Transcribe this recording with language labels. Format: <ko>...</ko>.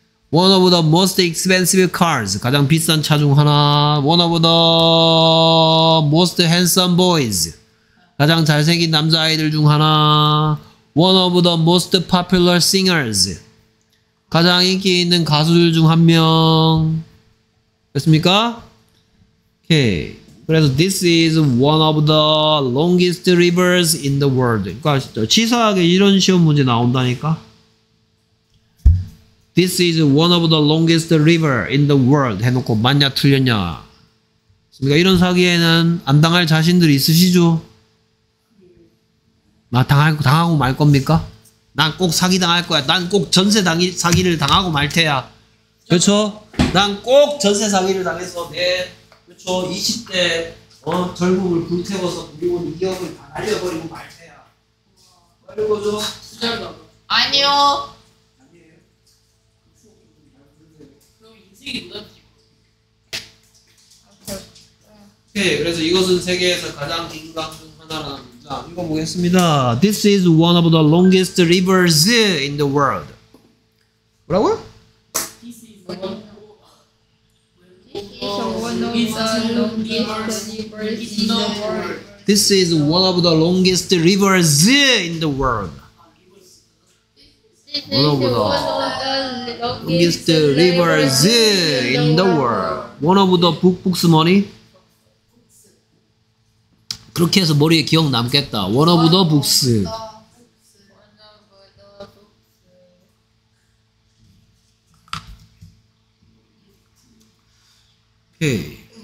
<en>One of the most expensive cars.</en> <ko>가장 비싼 차 중 하나.</ko> <en>One of the most handsome boys.</en> <ko>가장 잘생긴 남자아이들 중 하나.</ko> <en>One of the most popular singers.</en> <ko>가장 인기 있는 가수들 중 한 명. 됐습니까? Okay.</ko> <en>그래서 this is one of the longest rivers in the world.</en> <ko>그러니까 치사하게 이런 시험 문제 나온다니까?</ko> <en>This is one of the longest river in the world.</en> <ko>해놓고 맞냐 틀렸냐. 그러니까 이런 사기에는 안 당할 자신들이 있으시죠? 나 당하고 말 겁니까? 난 꼭 사기 당할 거야. 난 꼭 전세 사기를 당하고 말 테야. 그렇죠? 난 꼭 전세 사기를 당해서 내, 그렇죠? 20대 젊음을 불태워서 무리온 2억을 다 날려버리고 말 테야. 그리고 좀 아니요. 오케이. 그래서 이것은 세계에서 가장 긴 강 중 하나라는 문장 읽어보겠습니다.</ko> <en>This is one of the longest rivers in the world.</en> <ko>뭐라고요?</ko> <en>This is one of the longest rivers in the world. This is one of the longest rivers in the world. One of the longest rivers in the world. One of the book books money.</en> <ko>그렇게 해서 머리에 기억 남겠다.</ko> <en>One of the books. Okay.</en>